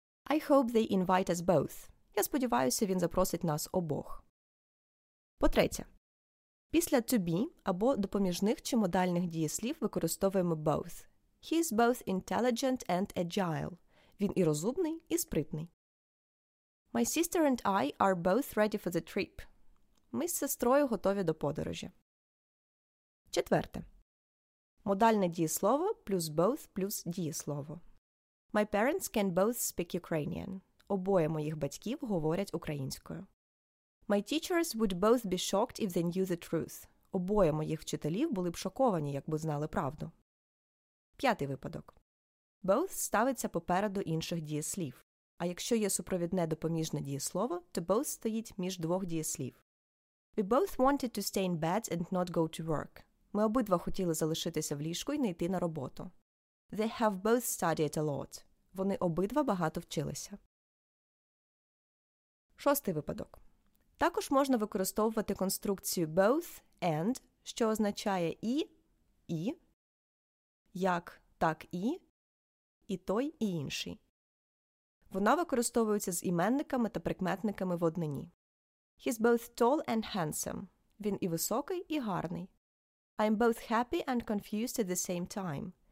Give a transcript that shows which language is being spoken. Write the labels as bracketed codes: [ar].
[en] I hope they invite us both. [uk] Я сподіваюся, він запросить нас обох. По-третє, після to be або допоміжних чи модальних дієслів використовуємо both. [en] He is both intelligent and agile. [uk] Він і розумний, і спритний. [en] My sister and I are both ready for the trip. [uk] Ми з сестрою готові до подорожі. Четверте. Модальне дієслово плюс both плюс дієслово. [en] My parents can both speak Ukrainian. [uk] Обоє моїх батьків говорять українською. [en] My teachers would both be shocked if they knew the truth. [uk] Обоє моїх вчителів були б шоковані, якби знали правду. П'ятий випадок. Both ставиться попереду інших дієслів. А якщо є супровідне допоміжне дієслово, то both стоїть між двох дієслів. [en] We both wanted to stay in bed and not go to work. [uk] Ми обидва хотіли залишитися в ліжку і не йти на роботу. [en] They have both studied a lot. [uk] Вони обидва багато вчилися. Шостий випадок. Також можна використовувати конструкцію both and, що означає і, як так і той, і інший. Вона використовується з іменниками та прикметниками в однині. [en] He's both tall and handsome. [uk] Він і високий, і гарний. [en] I'm both happy and confused at the same time.